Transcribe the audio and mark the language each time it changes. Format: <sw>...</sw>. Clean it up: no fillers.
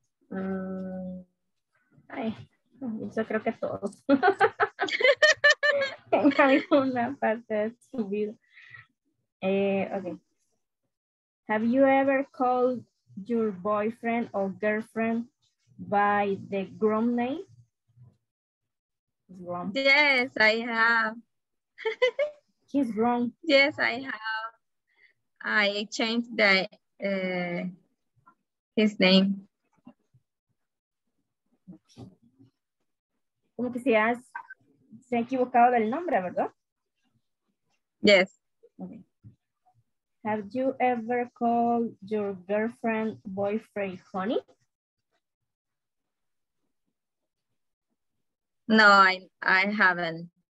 <es>Yo creo que todos en alguna parte de su vida.</es> <en>Okay. Have you ever called your boyfriend or girlfriend by the grown name? Grown. Yes, I have. He's grown. Yes, I have. I changed the his name. Okay.</en> <es>Como que si has se equivocado del nombre, ¿verdad?</es> <en>Yes. Okay. Have you ever called your girlfriend, boyfriend, honey? No, I haven't.</en>